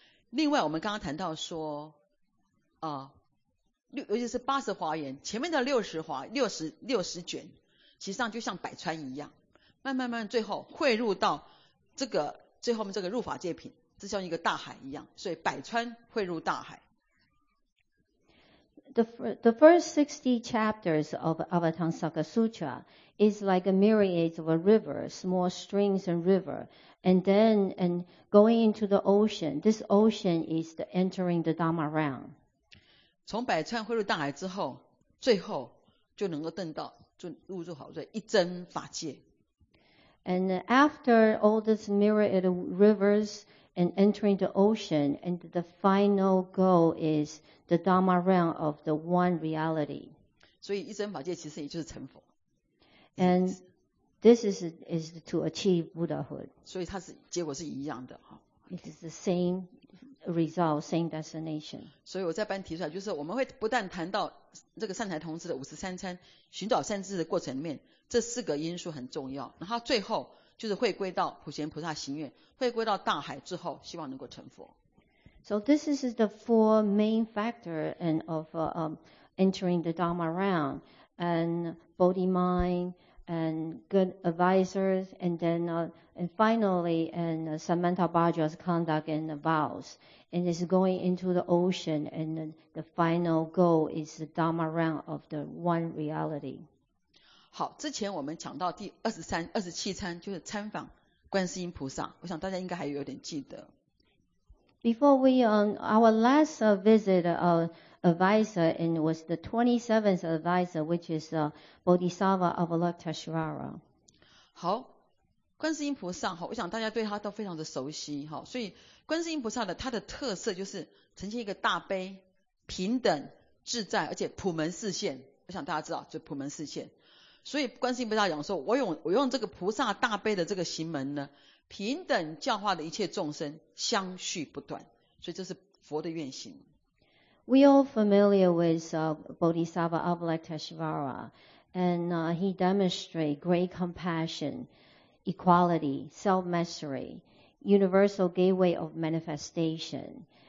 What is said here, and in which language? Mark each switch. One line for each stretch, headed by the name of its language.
Chinese: 另外我们刚刚谈到说啊，尤其是八十华严前面的六十卷，其实上就像百川一样，慢慢最后汇入到这个最后面这个入法界品，就像一个大海一样，所以百川汇入大海。
English: The first 60 chapters of Avatamsaka Sutra is like a myriad of a river, small streams and river, and going into the ocean. This ocean is the entering the Dharma realm.
Chinese: 从百川汇入大海之后，最后就能够证到，就入住好一真法界。
English: And after all this myriad of rivers and entering the ocean, and the final goal is the Dharma realm of the one reality.
Chinese: 所以一真法界其实也就是成佛。
English: And this is to achieve Buddhahood.
Chinese: 所以它是结果是一样的。
English: It is the same result, same destination.
Chinese: 所以我在班提出来，就是我们会不但谈到这个善财童子的五十三参，寻找善智的过程里面，这四个因素很重要，然后最后就是回归到普贤菩萨行愿，回归到大海之后，希望能够成佛。
English: So this is the four main factor and of entering the Dharma realm, and body, mind, and good advisors, and finally, and Samantha Bhadra's conduct and vows, and is going into the ocean, and the final goal is the Dharma realm of the one reality.
Chinese: 好，之前我们讲到第27参，就是参访观世音菩萨，我想大家应该还有点记得。
English: Before we our last visit advisor and was the 27th advisor, which is Bodhisattva Avalokiteshvara.
Chinese: 好，观世音菩萨，我想大家对他都非常的熟悉，所以观世音菩萨的他的特色就是呈现一个大悲、平等、自在，而且普门示现。我想大家知道，就普门示现。所以观世音菩萨讲说，我用这个菩萨大悲的这个行门呢，平等教化的一切众生，相续不断。所以这是佛的愿行。
English: We all familiar with Bodhisattva Avalokiteshvara, and he demonstrate great compassion, equality, self-mastery, universal gateway of manifestation.